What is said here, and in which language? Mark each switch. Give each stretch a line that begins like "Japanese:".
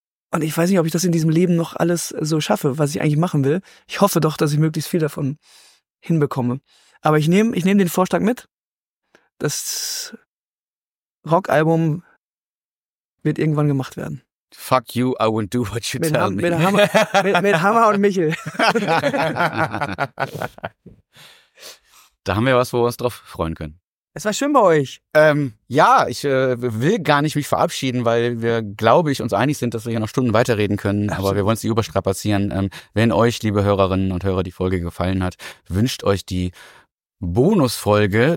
German: Und ich weiß nicht, ob ich das in diesem Leben noch alles so schaffe, was ich eigentlich machen will. Ich hoffe doch, dass ich möglichst viel davon hinbekomme. Aber ich nehme den Vorschlag mit. Das Rockalbum wird irgendwann gemacht werden.
English: Fuck you, I won't do what you tell me.
German: Mit Hammer und Michel. Da haben wir was, wo wir uns drauf freuen können. Es war schön bei euch. Ich will gar nicht mich verabschieden, weil wir, glaube ich, uns einig sind, dass wir hier noch Stunden weiterreden können. Aber wir wollen es nicht überstrapazieren. Wenn euch, liebe Hörerinnen und Hörer, die Folge gefallen hat, wünscht euch die Bonusfolge.